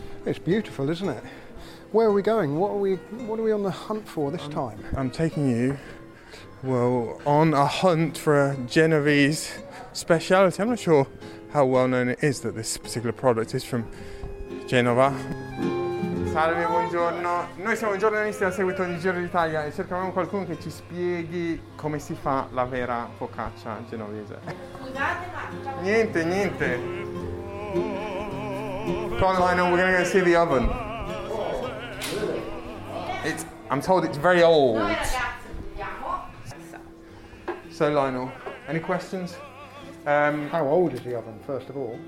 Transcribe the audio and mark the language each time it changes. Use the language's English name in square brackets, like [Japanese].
[English] It's beautiful, isn't it? Where are we going? What are we on the hunt for this time? I'm taking you, well, on a hunt for a Genovese speciality. I'm not sure how well known it is that this particular product is from Genova. [Italian] Salve, buongiorno. Noi siamo giornalisti a seguito di Giro d'Italia e cercavamo qualcuno che ci spieghi come si fa la vera focaccia genovese. Niente, niente. [English] Come on, Lionel, we're going to go see the oven. It's, I'm told it's very old. So, Lionel, any questions? How old is the oven, first of all?